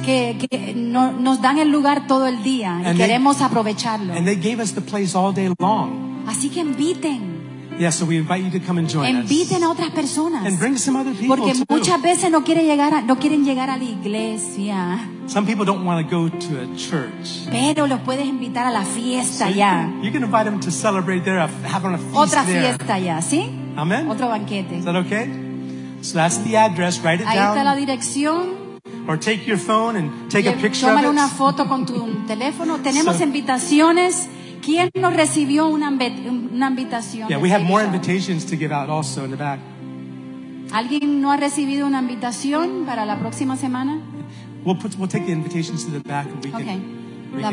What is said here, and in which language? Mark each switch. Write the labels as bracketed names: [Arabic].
[Spanish] Que nos dan el lugar todo el día y queremos aprovecharlo. [English] And they gave us the place all day long. [Spanish] Así que inviten. [English] Yeah, so we invite you to come and join [Spanish] inviten [English] us. [Spanish] A otras personas. [English] And bring some other people [Spanish] Porque [English] too. [Spanish] Porque muchas veces no quieren llegar a la iglesia. [English] Some people don't want to go to a church. [Spanish] Pero los puedes invitar a la fiesta [English] so [Spanish] ya. [English] You can invite them to celebrate there, have a feast [Spanish] Otra [English] there. [Spanish] Fiesta ya, ¿sí? [English] Amen. [Spanish] Otro banquete. [English] Is that okay? So that's the address. Write it [Spanish] Ahí [English] down. [Spanish] Ahí está la dirección. [English] Or take your phone and take a picture of it. [Spanish] Una foto con tu teléfono. Tenemos invitaciones. ¿Quién no recibió una invitación? [English] Yeah, we have more invitations to give out also in the back. [Spanish] ¿Alguien no ha recibido una invitación para la próxima semana? [English] We'll take the invitations to the back and